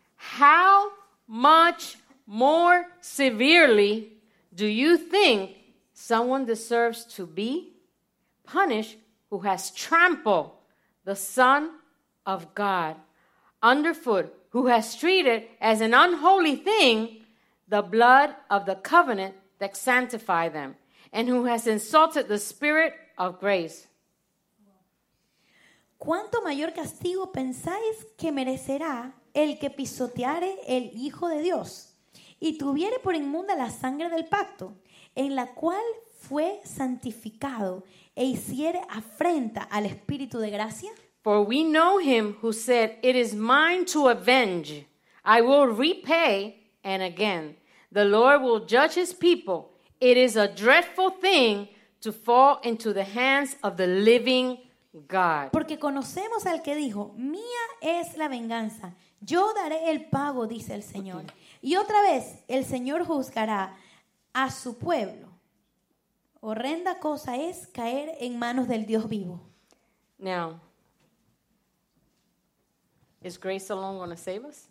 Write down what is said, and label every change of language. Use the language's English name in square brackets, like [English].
[English] How much more severely do you think someone deserves to be punished who has trampled the Son of God underfoot, who has treated as an unholy thing the blood of the covenant that sanctified them, and who has insulted the Spirit of grace. [Spanish] ¿Cuánto mayor castigo pensáis que merecerá el que pisoteare el Hijo de Dios y tuviere por inmunda la sangre del pacto en la cual fue santificado e hiciere afrenta al Espíritu de gracia? [English] For we know him who said, it is mine to avenge, I will repay, and again, the Lord will judge his people. It is a dreadful thing to fall into the hands of the living God. [Spanish] Porque conocemos al que dijo, mía es la venganza, yo daré el pago, dice el Señor. Y otra vez, el Señor juzgará a su pueblo. Horrenda cosa es caer en manos del Dios vivo. [English] Now, is grace alone going to save us?